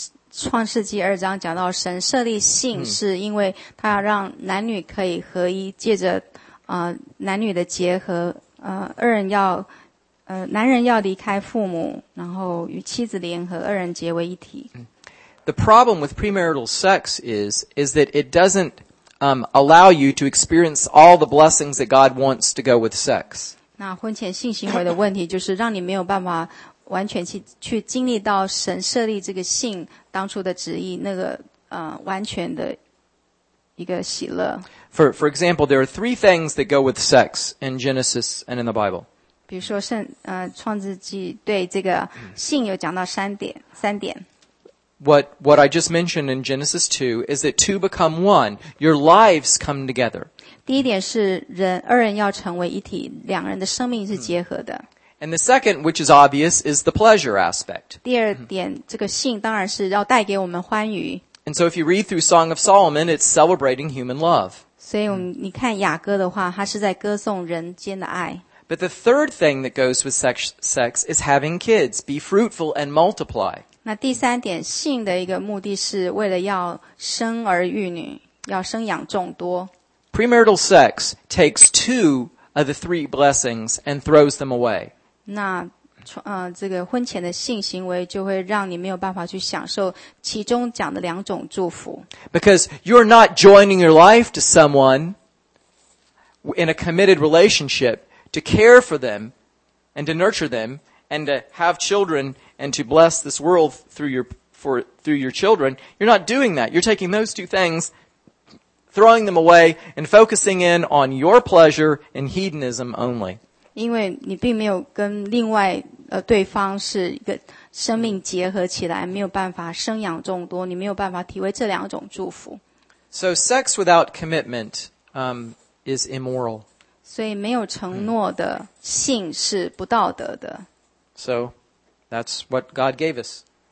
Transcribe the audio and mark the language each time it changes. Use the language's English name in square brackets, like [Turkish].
[Chinese] 创世纪二章讲到神设立性是因为他要让男女可以合一，借着男女的结合，二人要男人要离开父母，然后与妻子联合，二人结为一体。 [English] The problem with premarital sex is that it doesn't allow you to experience all the blessings that God wants to go with sex. [Chinese] 那婚前性行为的问题就是让你没有办法完全去经历到神设立这个性当初的旨意那个完全的一个喜乐。 [English] For example, there are three things that go with sex in Genesis and in the Bible. [Chinese] 比如说创世纪对这个性有讲到三点。 [English] What I just mentioned in Genesis 2 is that two become one. Your lives come together. [Chinese] 第一点是二人要成为一体，两人的生命是结合的。 [English] And the second, which is obvious, is the pleasure aspect. [Chinese] 第二点，这个性当然是要带给我们欢愉。 [English] And so if you read through Song of Solomon, it's celebrating human love. [Chinese] 所以你看雅歌的话，它是在歌颂人间的爱。 [English] But the third thing that goes with sex is having kids. Be fruitful and multiply. [Chinese] 那第三点性的一个目的是为了要生儿育女，要生养众多。 [English] Premarital sex takes two of the three blessings and throws them away. [Chinese] 那这个婚前的性行为就会让你没有办法去享受其中讲的两种祝福。 [English] Because you're not joining your life to someone in a committed relationship. To care for them and to nurture them and to have children and to bless this world through your children, you're not doing that. You're taking those two things, throwing them away, and focusing in on your pleasure and hedonism only. [Chinese] 因为你并没有跟另外对方是一个生命结合起来，没有办法生养众多，你没有办法体会这两种祝福。 [English] So sex without commitment, is immoral. [Chinese] 所以没有承诺的性是不道德的。 [English] So, that's what God gave us.